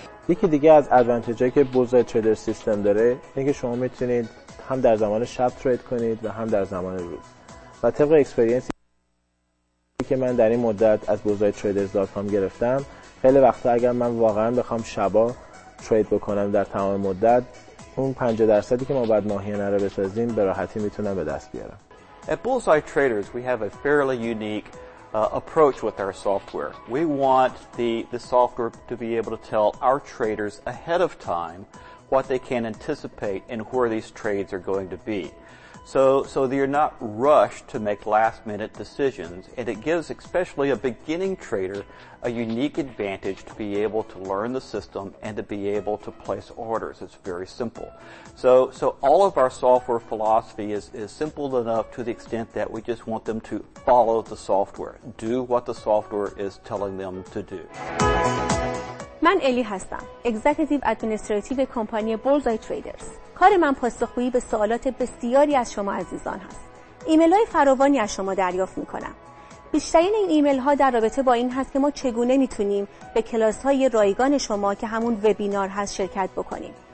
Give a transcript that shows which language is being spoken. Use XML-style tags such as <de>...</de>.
<fa>یکی دیگه از ادوانتیجای که بولزای تریدر سیستم داره اینه که شما میتونید هم در زمان شب ترید کنید و هم در زمان روز و طبق اکسپریانس که من در این مدت از بولزای تریدرز.com گرفتم خیلی وقتا اگر من واقعا بخوام شبا ترید بکنم در تمام مدت اون 5% که ما بعد ماهیانه رو بسازیم به راحتی میتونم به دست بیارم.</fa> <en>At Bullseye Traders, we have a fairly unique approach with our software. We want the software to be able to tell our traders ahead of time what they can anticipate and where these trades are going to be. So they're not rushed to make last minute decisions, and it gives especially a beginning trader a unique advantage to be able to learn the system and to be able to place orders. It's very simple. So all of our software philosophy is simple enough to the extent that we just want them to follow the software, do what the software is telling them to do.</en> <fa>من الی هستم، اگزکتیو ادمنستراتیو کمپانی بولزای تریدرز. کار من پاسخگویی به سوالات بسیاری از شما عزیزان هست. ایمیل های فراوانی از شما دریافت می کنم. بیشترین این ایمیل ها در رابطه با این هست که ما چگونه می تونیم به کلاس های رایگان شما که همون وبینار هست شرکت بکنیم.</fa>